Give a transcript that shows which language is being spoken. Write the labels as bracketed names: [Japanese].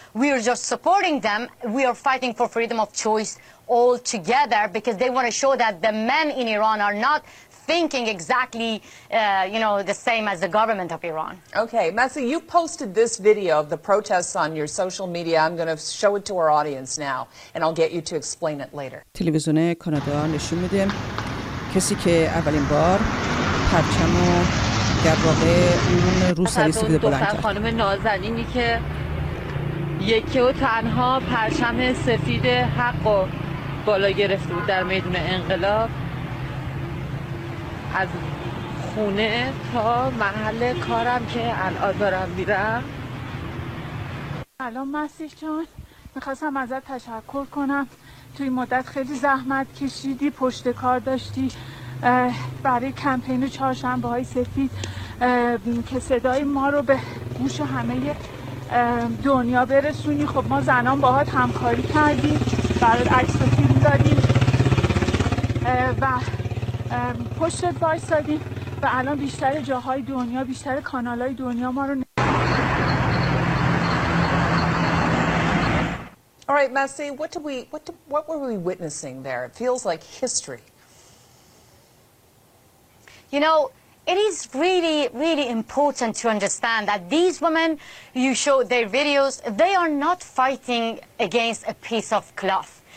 [English] We are just supporting them. We are fighting for freedom of choice all together, because they want to show that the men in Iran are not thinking exactly, you know, the same as the government of Iran. Okay, Masih, you posted this video of the protests on your social media. I'm going to show it to our audience now, and I'll get you to explain it later. [Persian] تلویزیون کانادا نشون میده کسی که اولین بار پرچم رو در واقع اون روسری سفید بلند کرد. خانم نازنینی که یکی و تنها پرچم سفید حق رو بالا گرفته بود در میدان انقلاب. از خونه تا محل کارم که الان دارم میرم. سلام مسیح جان، میخواستم ازت تشکر کنم. توی مدت خیلی زحمت کشیدی، پشت کار داشتی برای کمپین چهارشنبه های سفید که صدای ما رو به گوش همه دنیا برسونی. خب ما زنان باهات همکاری کردیم، برای عکس و فیلم دادیم و پشتت وایستادیم و الان بیشتر جاهای دنیا، بیشتر کانال های دنیا ما رو. [English] All right, Masih, what were we witnessing there? It feels like history. You know, it is really, really important to understand that these women, you show their videos, they are not fighting against a piece of cloth.